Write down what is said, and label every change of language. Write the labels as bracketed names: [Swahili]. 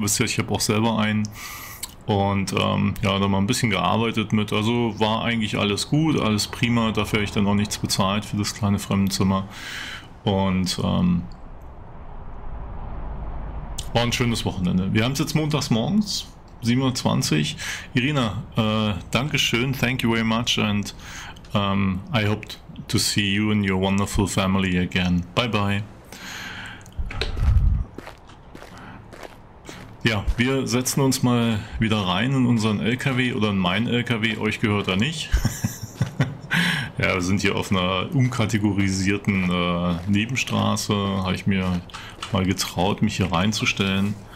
[German] Wisst ihr, ich habe auch selber einen. Und ja, da mal ein bisschen gearbeitet mit. Also war eigentlich alles gut, alles prima. Dafür habe ich dann auch nichts bezahlt für das kleine Fremdenzimmer. Und war ein schönes Wochenende. Wir haben es jetzt montags morgens, 7.20 Uhr. [English] Irina, [German] Dankeschön, [English] thank you very much and I hope to see you and your wonderful family again. Bye bye. [German] Ja, wir setzen uns mal wieder rein in unseren LKW oder in meinen LKW. Euch gehört er nicht. Ja, wir sind hier auf einer unkategorisierten Nebenstraße. Habe ich mir mal getraut, mich hier reinzustellen.